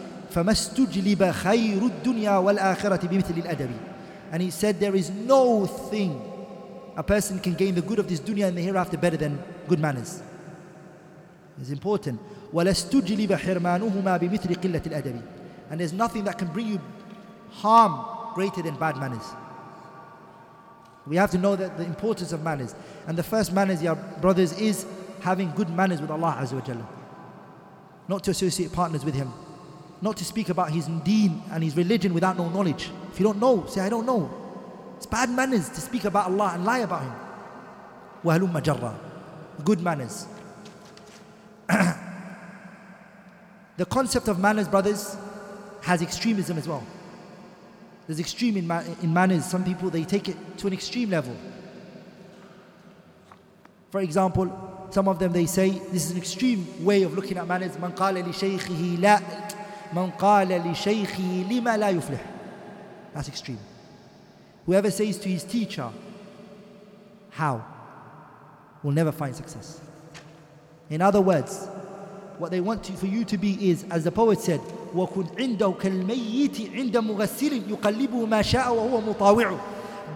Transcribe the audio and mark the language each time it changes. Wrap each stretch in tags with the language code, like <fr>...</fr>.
<ar>فما استجلب خير الدنيا والآخرة بمثل الأدب.</ar> <en>And he said there is no thing a person can gain the good of this dunya and the hereafter better than good manners. It's important.</en> <ar>ولا استجلب حرمانهما بمثل قلة الأدب.</ar> <en>And there's nothing that can bring you harm greater than bad manners. We have to know that the importance of manners. And the first manners, your brothers, is having good manners with Allah Azza wa Jalla. Not to associate partners with Him. Not to speak about His deen and His religion without no knowledge. If you don't know, say, I don't know. It's bad manners to speak about Allah and lie about Him.</en> <ar>وَهَلُمَّ جَرَّى.</ar> <en>Good manners. The concept of manners, brothers, has extremism as well. There's extreme in manners. Some people, they take it to an extreme level. For example, some of them, they say, this is an extreme way of looking at manners.</en> <ar>من قال لشيخه لا من قال لشيخه لما لا يفلح.</ar> <en>That's extreme. Whoever says to his teacher, how, will never find success. In other words, what they want to, for you to be is, as the poet said,</en> <ar>وَكُنْ عِنْدَوْكَ الْمَيِّتِ عِنْدَ مُغَسِّلٍ يُقَلِّبُ مَا شَاءَ وَهُوَ مُطَاوِعُ.</ar>